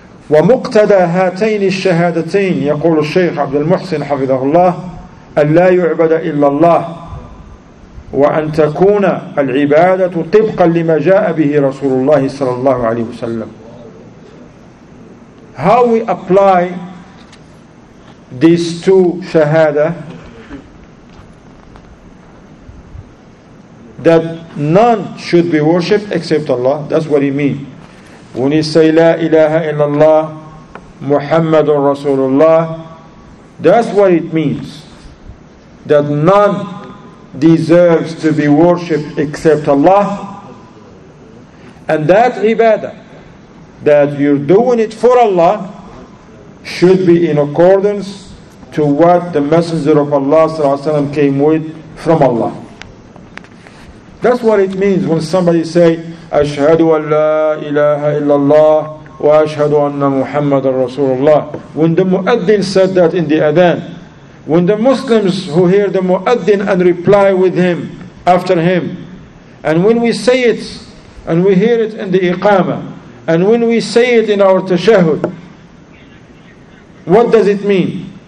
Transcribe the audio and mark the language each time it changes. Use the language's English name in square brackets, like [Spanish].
[Arabic] ومقتدى هاتين الشهادتين يقول الشيخ عبد المحسن حفظه الله أن لا يعبد إلا الله وأن تكون العبادة طبقا لما جاء به رسول الله صلى الله عليه وسلم. [English] How we apply these two شهادة that none should be worshipped except Allah, that's what he means. When you say La ilaha illallah Muhammadun Rasulullah, that's what it means. That none deserves to be worshipped except Allah. And that ibadah, that you're doing it for Allah, should be in accordance to what the Messenger of Allah sallallahu alaihi wasallam came with from Allah. That's what it means when somebody say, [Arabic] أشهد أن لا إله إلا الله وأشهد أن محمد رسول الله. [English] When the Muaddin said that in the Adhan, when the Muslims who hear the Muaddin and reply with him, after him, and when we say it, and we hear it in the Iqamah, and when we say it in our Tashahud, what does it mean?